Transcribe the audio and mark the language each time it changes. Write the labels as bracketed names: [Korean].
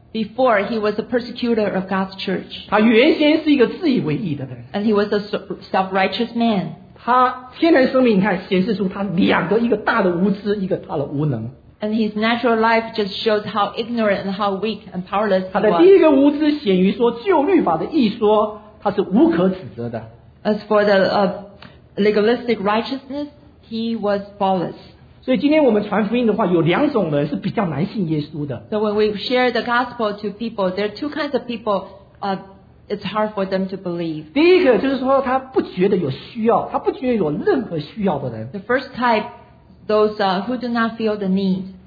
[English] Before, he was a persecutor of God's church. [Chinese] 他原先是一个自以为义的人。 [English] And he was a self-righteous man. [Chinese] 他天然生命，你看，显示出他两个，一个大的无知，一个大的无能。 [English] And his natural life just shows how ignorant and how weak and powerless he was. [Chinese] 他的第一个无知显于说，旧律法的义说他是无可指责的。 [English] As for the legalistic righteousness, he was flawless. [Chinese] 所以今天我们传福音的话，有两种人是比较难信耶稣的。 [English] So when we share the gospel to people, there are two kinds of people. It's hard for them to believe. [Chinese] 第一个就是说他不觉得有需要，他不觉得有任何需要的人。 [English] The first type, those who do not feel the need.